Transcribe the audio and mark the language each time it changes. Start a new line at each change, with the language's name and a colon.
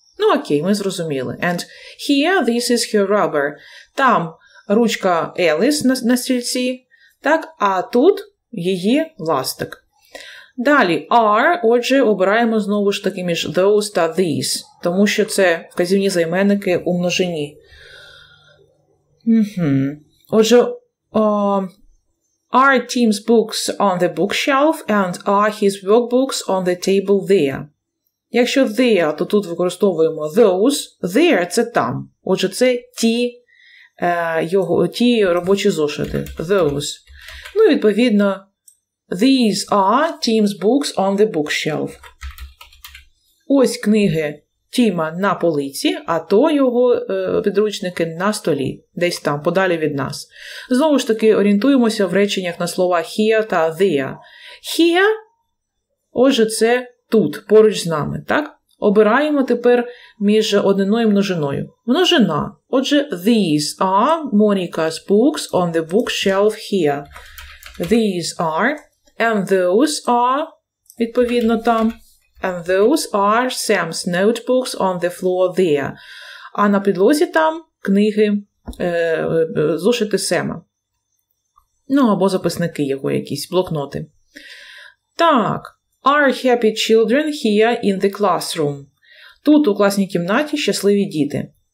Ukrainian: Ну, окей, ми зрозуміли.
English: And here, this is her rubber. Там.
Ukrainian: Ручка Еліс на стільці, так, а тут її ластик. Далі, are, отже, обираємо знову ж таки між those та these, тому що це вказівні займенники у множині. Угу.
English: Отже, are Tim's books on the bookshelf and are his workbooks on the table there?
Ukrainian: Якщо there, то тут використовуємо those, there – це там, отже, це ті. Його, ті робочі зошити.
English: Those.
Ukrainian: Ну і відповідно
English: these are Tim's books on the bookshelf.
Ukrainian: Ось книги Тіма на полиці, а то його підручники на столі. Десь там, подалі від нас. Знову ж таки, орієнтуємося в реченнях на слова here та there. Here, отже, це тут, поруч з нами. Так? Обираємо тепер між одиною і множиною. Множина.
English: Отже, these are Monica's books on the bookshelf here. These are, and those are,
Ukrainian: відповідно там,
English: and those are Sam's notebooks on the floor there.
Ukrainian: А на підлозі там книги зошити Сема. Ну, або записники його якісь, блокноти.
English: Так, are happy children here in the classroom?
Ukrainian: Тут у класній кімнаті щасливі діти.